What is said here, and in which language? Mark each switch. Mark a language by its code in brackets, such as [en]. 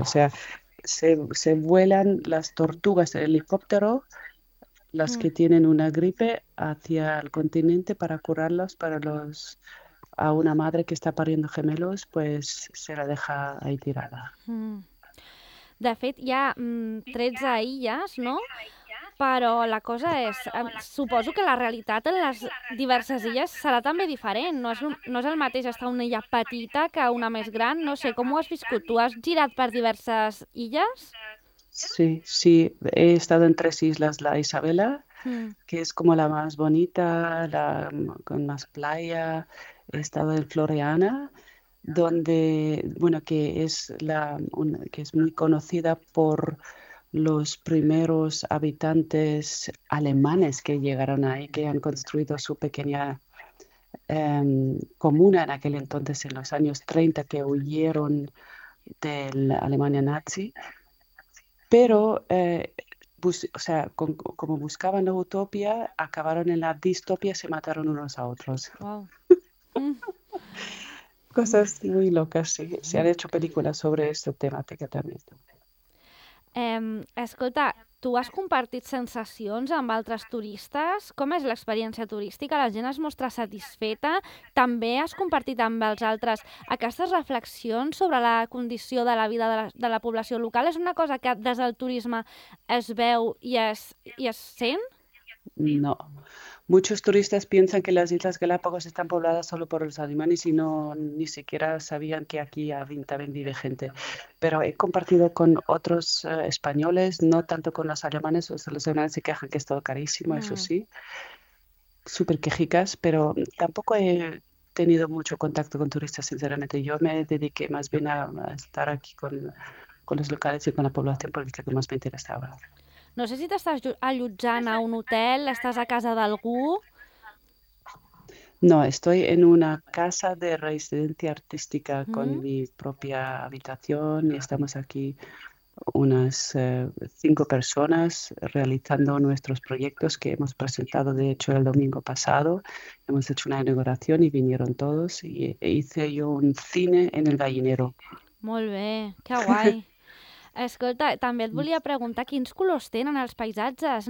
[es] O sea, se vuelan las tortugas en helicóptero, las que tienen una gripe, hacia el continente para curarlas. A una madre que está pariendo gemelos, pues se la deja ahí tirada. [ca] De fet, hi ha 13 illes, no? Però la cosa és, suposo que la realitat en les diverses illes serà també diferent. No és el mateix estar en una illa petita que una més gran. No sé, com ho has viscut? Tu has girat per diverses illes? [es] Sí, he estado en 3 islas: la Isabela, que es como la más bonita, con más playa; he estado en Floreana, bueno, que es muy conocida por los primeros habitantes alemanes que llegaron ahí, que han construido su pequeña comuna en aquel entonces, en los años 30, que huyeron de la Alemania nazi. Pero, o sea, como buscaban la utopía, acabaron en la distopía, se mataron unos a otros. Cosas muy locas, sí. Se han hecho películas sobre esta temática también. [ca] Escolta, tu has compartit sensacions amb altres turistes? Com és l'experiència turística? La gent es mostra satisfeta? També has compartit amb els altres aquestes reflexions sobre la condició de la vida de la població local? És una cosa que des del turisme es veu i es sent? [es] No. Muchos turistas piensan que las Islas Galápagos están pobladas solo por los animales y no ni siquiera sabían que aquí también vive gente. Pero he compartido con otros españoles, no tanto con los alemanes. O sea, los alemanes se quejan que es todo carísimo, eso sí, súper quejicas, pero tampoco he tenido mucho contacto con turistas, sinceramente. Yo me dediqué más bien a estar aquí con los locales y con la población, porque es lo que más me interesaba. [ca] No sé si t'estàs allotjant a un hotel, estàs a casa d'algú. [es] No, estoy en una casa de residencia artística con mi propia habitación y estamos aquí unas cinco personas realizando nuestros proyectos que hemos presentado, de hecho, el domingo pasado. Hemos hecho una inauguración y vinieron todos y hice yo un cine en el gallinero. [ca] Molt bé, que guai. Escolta, també et volia preguntar quins colors tenen els paisatges.